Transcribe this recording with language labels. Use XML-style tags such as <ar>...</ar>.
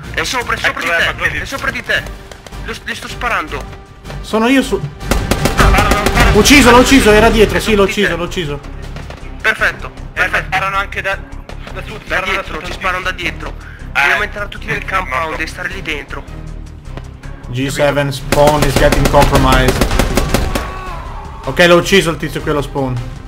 <it>È sopra di te. Gli sto sparando. Sono io su. Ah, ucciso, l'ho ucciso, era dietro. Sì, l'ho ucciso. Perfetto. Sparano anche da tutti. Da dietro, ci sparano da dietro. Dobbiamo entrare tutti nel compound e stare lì dentro.</it> <en>G7 spawn is getting compromised.</en> <it>Ok, l'ho ucciso il tizio qui allo spawn.</it>